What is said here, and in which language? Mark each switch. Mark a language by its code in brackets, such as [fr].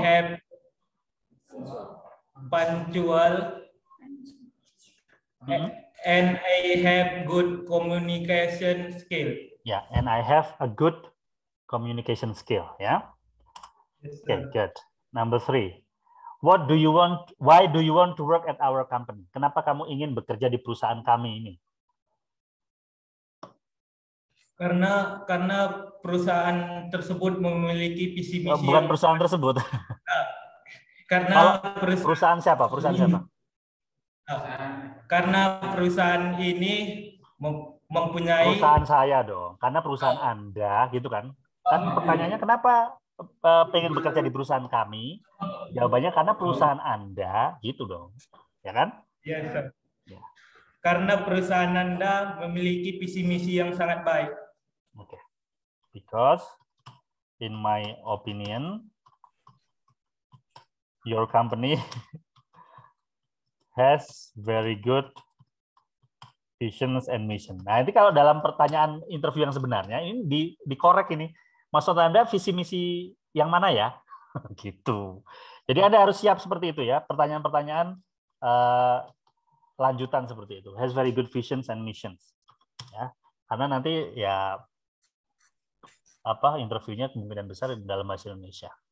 [en] I have punctual, and I have good communication skill. Yeah, and I have a good communication skill. Yeah. Okay, good. Number three. Why do you want to work at our company? [id] Kenapa kamu ingin bekerja di perusahaan kami ini? Karena perusahaan tersebut memiliki visi misi. Oh, bukan perusahaan tersebut. Karena perusahaan siapa? Perusahaan siapa? Karena perusahaan ini mempunyai perusahaan saya dong. Karena perusahaan Anda gitu kan. Kan pertanyaannya kenapa pengen bekerja di perusahaan kami? Jawabannya karena perusahaan Anda gitu dong. Ya kan? Iya, Sir. Ya. Karena perusahaan Anda memiliki visi misi yang sangat baik. Oke. Okay. [en] Because in my opinion your company has very good vision and mission. [id] Nah, ini kalau dalam pertanyaan interview yang sebenarnya ini dikorek ini. Maksud Anda visi misi yang mana ya? Gitu. Jadi Anda harus siap seperti itu ya, pertanyaan-pertanyaan lanjutan seperti itu. [en] Has very good visions and missions. [id] Ya. Karena nanti ya apa interviewnya kemungkinan besar dalam bahasa Indonesia.